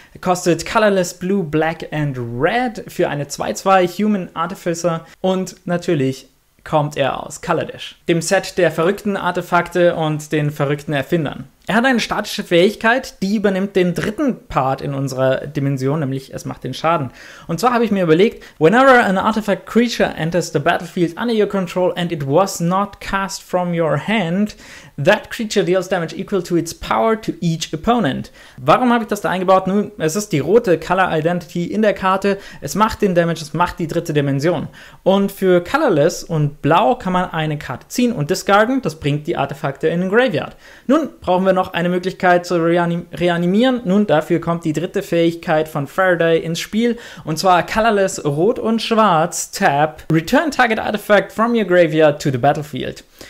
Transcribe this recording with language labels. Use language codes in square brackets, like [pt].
[de] Kostet Colorless Blue, Black and Red für eine 2-2 Human Artificer und natürlich kommt er aus Kaladesh, dem Set der verrückten Artefakte und den verrückten Erfindern. Er hat eine statische Fähigkeit, die übernimmt den dritten Part in unserer Dimension, nämlich es macht den Schaden. Und zwar habe ich mir überlegt, [en] whenever an artifact creature enters the battlefield under your control and it was not cast from your hand, that creature deals damage equal to its power to each opponent. [de] Warum habe ich das da eingebaut? Nun, es ist die rote Color Identity in der Karte, es macht den Damage, es macht die dritte Dimension. Und für Colorless und Blau kann man eine Karte ziehen und discarden, das bringt die Artefakte in den Graveyard. Nun brauchen wir noch eine Möglichkeit zu reanimieren. Nun, dafür kommt die dritte Fähigkeit von Faraday ins Spiel, und zwar Colorless Rot und Schwarz, Tap, [en] Return Target Artifact from your Graveyard to the Battlefield.